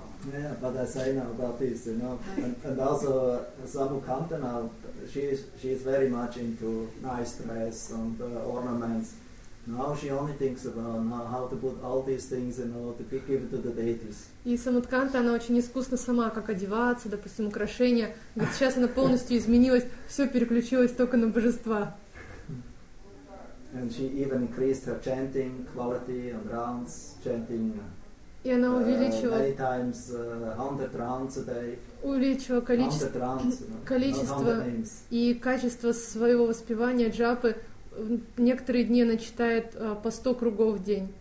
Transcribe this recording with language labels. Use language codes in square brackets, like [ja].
[en] Yeah, but I say now about this, you know, and also Samukanta now, she is very much into nice dress and ornaments. Now she only thinks about how to put all these things in order to give to the deities. [ru] И Самутканта, она очень искусна сама, как одеваться, допустим, украшения. Ведь сейчас она полностью изменилась, все переключилось только на божества. [en] And she even increased her chanting quality and rounds, chanting. [ru] И она увеличила [en] times, 100 rounds a day. [ru] Увеличила количество и качество своего воспевания джапы. Некоторые дни она читает по 100 кругов в день.